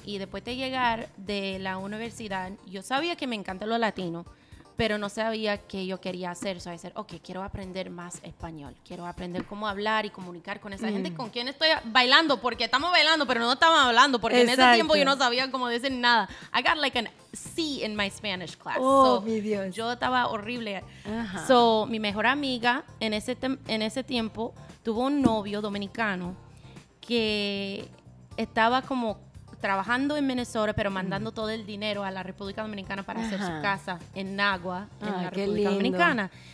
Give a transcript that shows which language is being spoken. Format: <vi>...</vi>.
<es>Y después de llegar de la universidad, yo sabía que me encantan los latinos, pero no sabía qué yo quería hacer. O sea, ok, quiero aprender más español. Quiero aprender cómo hablar y comunicar con esa gente con quien estoy bailando, porque estamos bailando, pero no estamos hablando, porque exacto. En ese tiempo yo no sabía cómo decir nada.</es> <en>I got like an C in my Spanish class. Oh, so,</en> <es>mi Dios. Yo estaba horrible. Uh-huh. So, mi mejor amiga en ese tiempo tuvo un novio dominicano que estaba como trabajando en Minnesota, pero mandando todo el dinero a la República Dominicana para hacer su casa en Nagua, en la República Dominicana.</es>